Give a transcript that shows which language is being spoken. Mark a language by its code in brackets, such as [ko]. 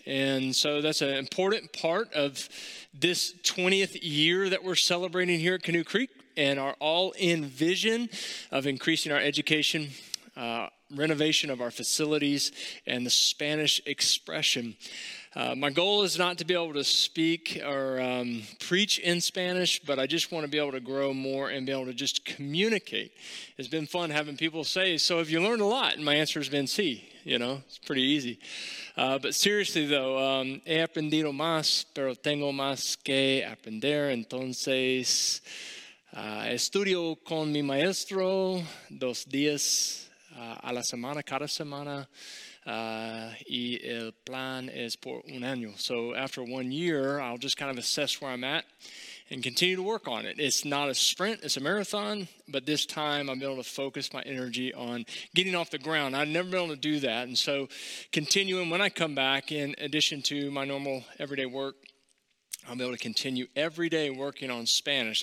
[en] And so that's an important part of this 20th year that we're celebrating here at Canoe Creek and our all-in vision of increasing our education, renovation of our facilities, and the Spanish expression. My goal is not to be able to speak or preach in Spanish, but I just want to be able to grow more and be able to just communicate. It's been fun having people say, so have you learned a lot? And my answer has been, sí. You know, it's pretty easy. But seriously, though, [es] he aprendido más, pero tengo más que aprender. Entonces, estudio con mi maestro 2 días. A la semana, cada semana, y el plan es por un año. [en] So after 1 year, I'll just kind of assess where I'm at and continue to work on it. It's not a sprint, it's a marathon, but this time I'm able to focus my energy on getting off the ground. I've never been able to do that. And so continuing when I come back, in addition to my normal everyday work, I'll be able to continue every day working on Spanish.